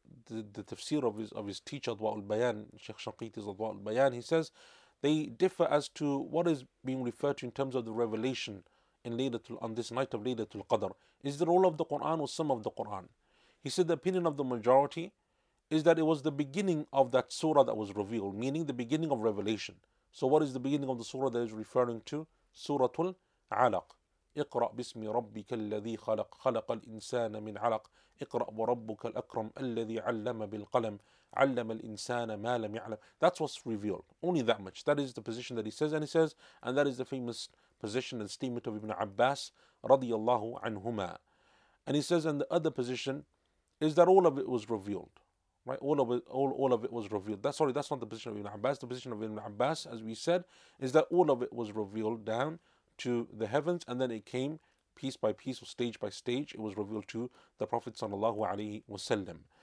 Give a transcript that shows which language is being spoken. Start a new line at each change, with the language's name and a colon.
English: the tafsir of his teacher, Adwa al-Bayan, Sheikh Shanqiti's Adwa al-Bayan, he says, they differ as to what is being referred to in terms of the revelation in on this night of Laylatul Qadr. Is it all of the Qur'an or some of the Qur'an? He said the opinion of the majority is that it was the beginning of that surah that was revealed, meaning the beginning of revelation. So what is the beginning of the surah that is referring to? Suratul Alaq.
Arabic: اقرأ باسم ربك الذي خلق خلق الإنسان من علق اقرأ وربك الأكرم الذي علم بالقلم علم الإنسان ما لم يعلم.
English: That's what's revealed. Only that much. That is the position that he says, and he says, and that is the famous position and statement of Ibn Abbas
Arabic: رضي الله عنهما.
English: And he says, and the other position is that all of it was revealed. Right? All of it was revealed. That's not the position of Ibn Abbas. The position of Ibn Abbas, as we said, is that all of it was revealed down to the heavens, and then it came piece by piece, or stage by stage, it was revealed to the Prophet sallallahu alaihi wasallam.